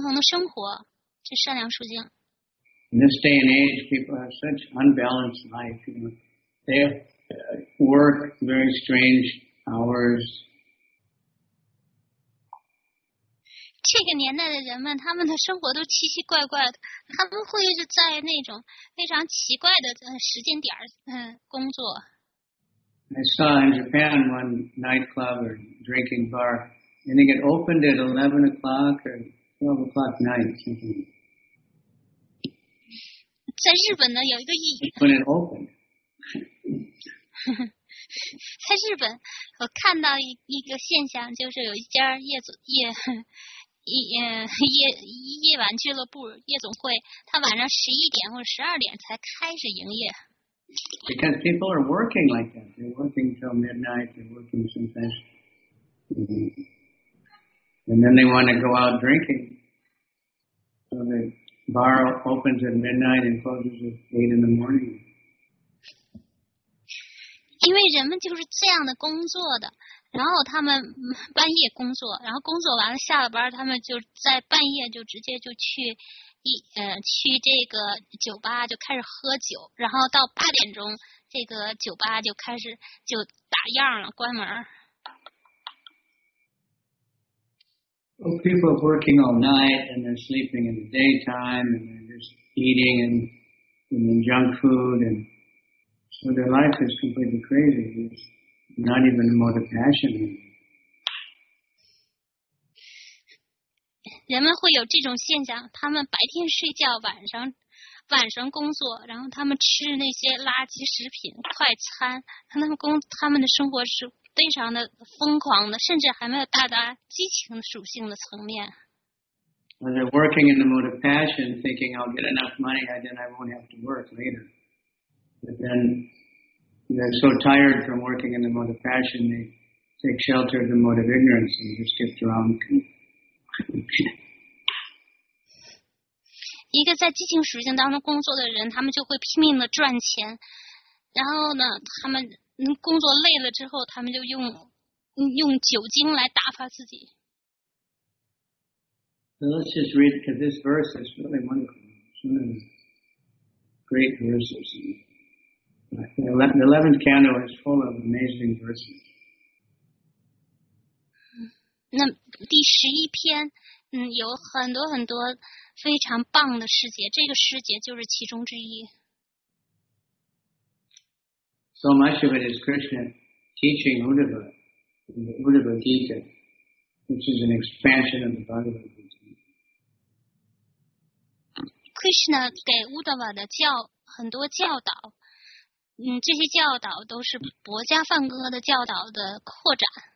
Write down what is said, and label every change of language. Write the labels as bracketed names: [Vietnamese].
[Chinese] 我们应该专注于善良属性，我们应该是在善良属性当中吃进食，在善良属性当中谈话，在善良属性当中的穿着，善良属性中睡眠，就意味着不要睡太多，不要睡太少，然后就有一个平衡的生活，这善良属性。 [English] In this day and age, people have such unbalanced life. You know, they work very strange hours. [Chinese] 这个年代的人们，他们的生活都奇奇怪怪的，他们会在那种非常奇怪的时间点工作。 [English] I saw in Japan one nightclub or drinking bar, and they get opened at 11 o'clock or 12 o'clock night. [Chinese] 在日本呢，有一个夜，在日本，我看到一个现象，就是有一家夜总夜夜晚俱乐部夜总会，它晚上11点或12点才开始营业。 [English] Because people are working like that, they're working till midnight, they're working sometimes,、and then they want to go out drinking. So the bar opens at midnight and closes at 8 in the morning. [Chinese] 因为人们就是这样的工作的，然后他们半夜工作，然后工作完了下了班，他们就在半夜就直接就去。去这个酒吧就开始喝酒，然后到8点钟，这个酒吧就开始就打烊了，关门。 [English] Well, people are working all night and they're sleeping in the daytime and they're just eating and junk food and so their life is completely crazy. There's not even a motive passion anymore. [Chinese] 人们会有这种现象，他们白天睡觉，晚上工作，然后他们吃那些垃圾食品、快餐，他们的生活是非常的疯狂的，甚至还没有到达激情属性的层面。 [English] Well, they're working in the mode of passion, thinking I'll get enough money and then I won't have to work later. But then they're so tired from working in the mode of passion, they take shelter of the mode of ignorance and just shift around. [Chinese] 一个在激情属性当中工作的人，他们就会拼命的赚钱，然后呢，他们工作累了之后，他们就用酒精来打发自己。 [English] So let's just read because this verse is really wonderful. It's one of the great verses. The 11th candle is full of amazing verses. [Chinese] 那第十一篇，有很多很多非常棒的诗节，这个诗节就是其中之一。 [English] So much of it is Krishna teaching Uddhava, the Uddhava Gita, which is an expansion of the Bhagavad Gita. [Chinese] Krishna 给 Uddhava 的教很多教导，这些教导都是薄伽梵歌的教导的扩展。